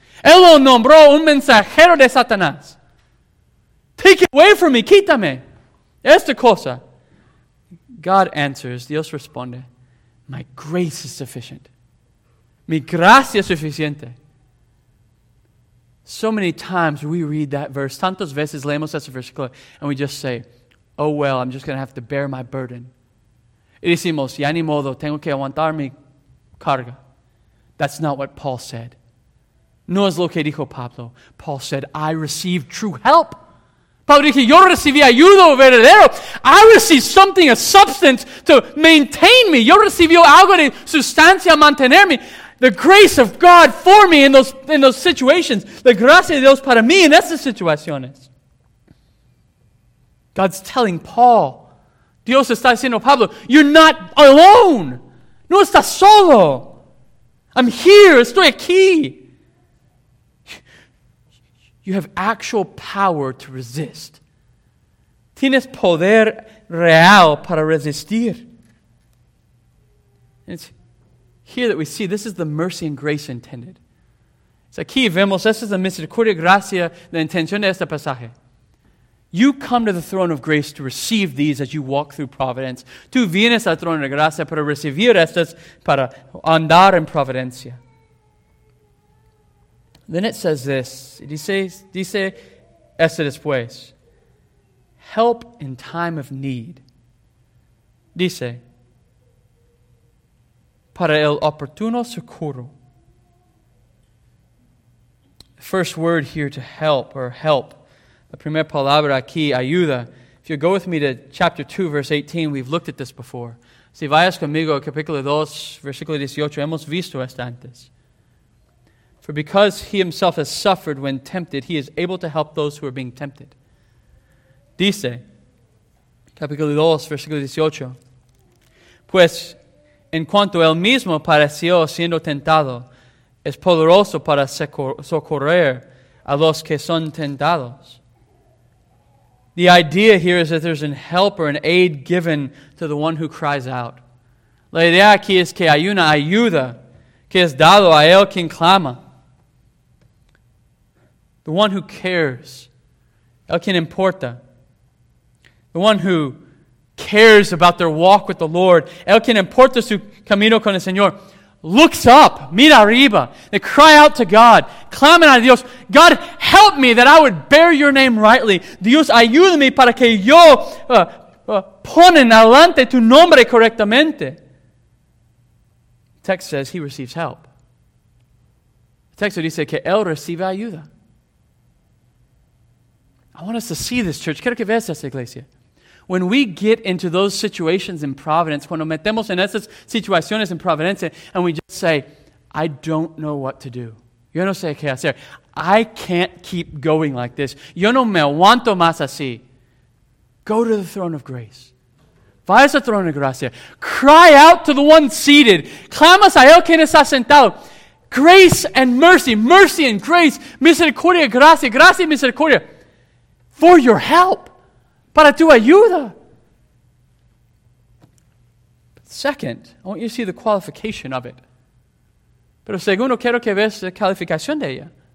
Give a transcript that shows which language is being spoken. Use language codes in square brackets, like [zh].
[es] Él lo nombró un mensajero de Satanás. [en] Take it away from me. [es] Quítame. Esta cosa. [en] God answers. [es] Dios responde. [en] My grace is sufficient. [es] Mi gracia es suficiente. [en] So many times we read that verse. [es] Tantas veces leemos ese versículo. [en] And we just say, oh well, I'm just going to have to bear my burden. [es] Y decimos, ya ni modo, tengo que aguantar mi carga. [en] That's not what Paul said. [es] No es lo que dijo Pablo. [en] Paul said, I received true help. [es] Pablo dijo, yo recibí ayuda verdadero. [en] I received something, a substance to maintain me. [es] Yo recibí algo de sustancia mantenerme. [en] The grace of God for me in those situations. [es] La gracia de Dios para mí en esas situaciones. [en] God's telling Paul. [es] Dios está diciendo, Pablo, [en] you're not alone. [es] No estás solo. [en] I'm here. [es] Estoy aquí. [en] You have actual power to resist. [es] Tienes poder real para resistir. [en] And it's here that we see this is the mercy and grace intended. [es] Es aquí vemos, esta es la misericordia, gracia, la intención de este pasaje. [en] You come to the throne of grace to receive these as you walk through providence. [es] Tú vienes al trono de gracia para recibir estas, para andar en providencia. [en] Then it says this, [es] dice esto después, [en] help in time of need. [es] Dice, para el oportuno socorro. [en] The first word here to help or help, [es] la primera palabra aquí, ayuda. [en] If you go with me to chapter 2, verse 18, we've looked at this before. [es] Si vayas conmigo, capítulo 2, versículo 18, hemos visto esto antes. [en] For because he himself has suffered when tempted, he is able to help those who are being tempted. [es] Dice, capítulo 2, versículo 18. Pues, en cuanto él mismo pareció siendo tentado, es poderoso para socorrer a los que son tentados. [en] The idea here is that there's an help or an aid given to the one who cries out. [es] La idea aquí es que hay una ayuda que es dado a él quien clama. [en] The one who cares. [es] El quien importa. [en] The one who cares about their walk with the Lord. [es] El quien importa su camino con el Señor. [en] Looks up. [es] Mira arriba. [en] They cry out to God. [es] Clamen a Dios. [en] God, help me that I would bear your name rightly. [es] Dios, ayúdame para que yo ponen adelante tu nombre correctamente. [en] The text says he receives help. The text [es] dice que él recibe ayuda. [en] I want us to see this, church. [es] Quiero que veas esta iglesia. [en] When we get into those situations in providence, [es] cuando metemos en esas situaciones en providencia, [en] and we just say, I don't know what to do. [es] Yo no sé qué hacer. [en] I can't keep going like this. [es] Yo no me aguanto más así. [en] Go to the throne of grace. [es] Vayas al trono de gracia. [en] Cry out to the one seated. [es] Clamas a él quien está sentado. [en] Grace and mercy. Mercy and grace. [es] Misericordia, gracia. Gracia y misericordia. [en] For your help. [es] Para tu ayuda. [en] Second, I want you to see the qualification of it. [es] Pero segundo, quiero que veas la calificación de ella.